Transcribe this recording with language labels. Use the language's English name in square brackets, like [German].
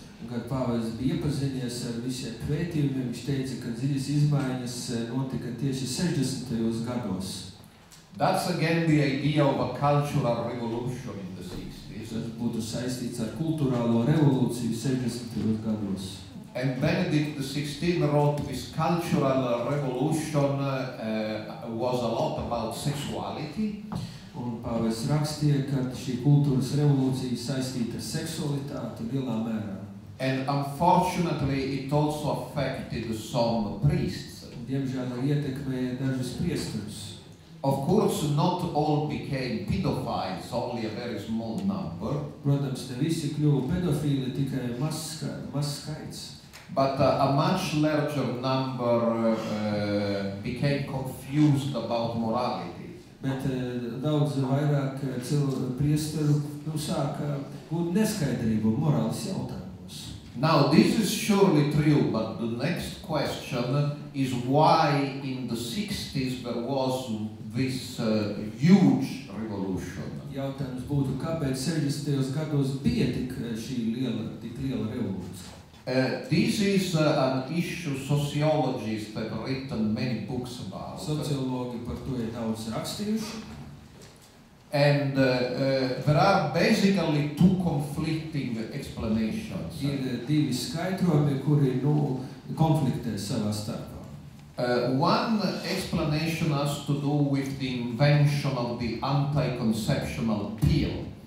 [Latvian] Kad pāvests bija iepazinies ar visiem pētījumiem, viņš teica, ka dziļas izmaiņas notika tieši 60. Gados. [English] That's again the idea of a cultural revolution in the 60s. [Latvian] Tas būtu saistīts ar kultūrālo revolūciju 60. Gados. [English] And Benedict XVI wrote this cultural revolution was a lot about sexuality. [Latvian] Un pāvests rakstīja, ka šī kultūras revolūcija saistīta ar seksualitāti lielā mērā. [English] And unfortunately it also affected some priests. [Latvian] Diemžēl ietekmēja dažus priesterus. [English] Of course not all became pedophiles, only a very small number. [Latvian] Protams, ne visi kļuva pedofīli, tikai mazs skaits. [English] But a much larger number became confused about morality. [Latvian] Bet daudz vairāk cilvēku priesteru nu sāka būt neskaidrību morāles jautājumus. [English] Now this is surely true, but the next question is why in the 60s there was this huge revolution. [Latvian] Jautājums būtu, kāpēc 60. Gados bija tik šī liela, tik liela revolūcija. [English] This is an issue sociologists have written many books about. [Latvian] Sociologi par to ir daudz rakstījuši. [English] And there are basically two conflicting explanations. [Latvian] Ir divi skaidrojumi, kuri nu konflikte savā starpā. [English] One explanation has to do with the invention of the anti-conceptional pill.